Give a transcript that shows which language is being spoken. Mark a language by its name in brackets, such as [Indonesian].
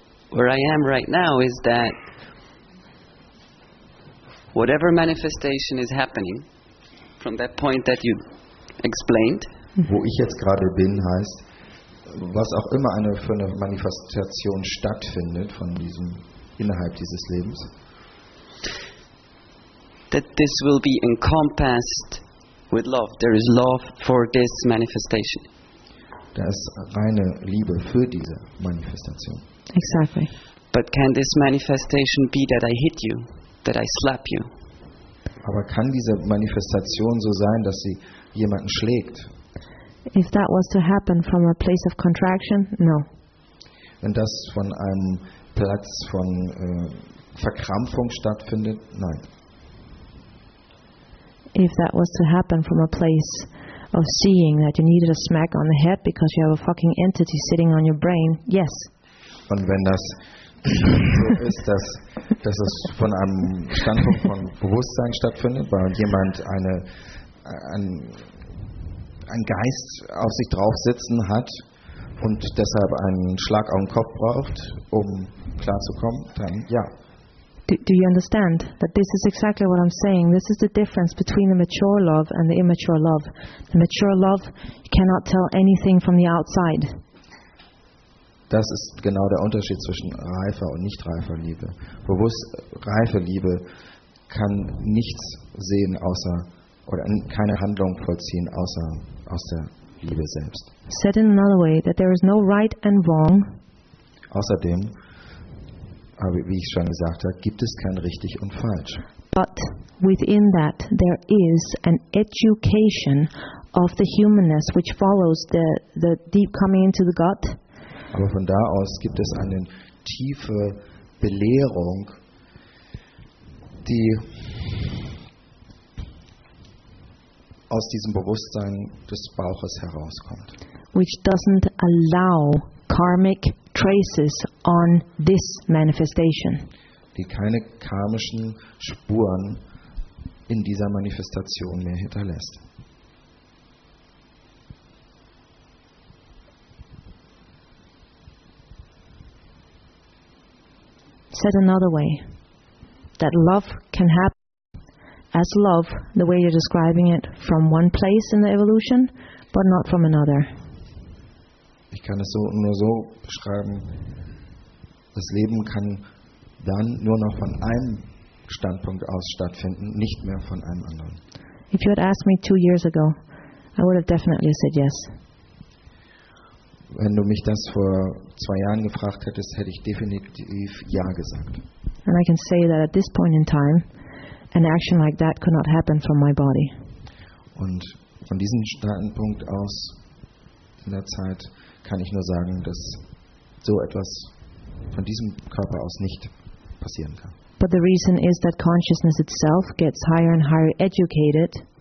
[English] Where I am right now is that whatever manifestation is happening from that point that you explained, [German] wo ich jetzt gerade bin, heißt, was auch immer für eine Manifestation stattfindet von diesem innerhalb dieses Lebens, [English] that this will be encompassed with love. There is love for this manifestation. [German] Da ist reine Liebe für diese Manifestation. [English] Exactly. But can this manifestation be that I hit you, that I slap you? [German] Aber kann diese Manifestation so sein, dass sie jemanden schlägt? [English] If that was to happen from a place of contraction, no. [German] Wenn das von einem Platz von Verkrampfung stattfindet, nein. [English] If that was to happen from a place of seeing that you needed a smack on the head because you have a fucking entity sitting on your brain, yes. [German] Und wenn das so ist, dass es von einem Standpunkt von Bewusstsein stattfindet, weil jemand einen Geist auf sich drauf sitzen hat und deshalb einen Schlag auf den Kopf braucht, um klarzukommen, dann ja. [English] Do you understand that this is exactly what I'm saying? This is the difference between the mature love and the immature love. The mature love, you cannot tell anything from the outside. [German] Das ist genau der Unterschied zwischen reifer und nicht reifer Liebe. Bewusst reife Liebe kann nichts sehen außer oder keine Handlung vollziehen außer aus der Liebe selbst. [English] Said in another way, that there is no right and wrong. [German] Außerdem, wie ich schon gesagt habe, gibt es kein richtig und falsch. [English] But within that there is an education of the humanness which follows the deep coming into the gut. [German] Aber von da aus gibt es eine tiefe Belehrung, die aus diesem Bewusstsein des Bauches herauskommt. [English] Which doesn't allow karmic traces on this manifestation. [German] Die keine karmischen Spuren in dieser Manifestation mehr hinterlässt. [English] Said another way, that love can happen as love, the way you're describing it, from one place in the evolution, but not from another. [German] Ich kann es so nur so beschreiben, das Leben kann dann nur noch von einem Standpunkt aus stattfinden, nicht mehr von einem anderen. [English] If you had asked me 2 years ago, I would have definitely said yes. [German] Wenn du mich das vor 2 Jahren gefragt hättest, hätte ich definitiv ja gesagt. [English] And I can say that at this point in time, an action like that could not happen from my body. [German] Und von diesem Standpunkt aus in der Zeit kann ich nur sagen, dass so etwas von diesem Körper aus nicht passieren kann. [English] But the reason is that consciousness itself gets higher and higher educated.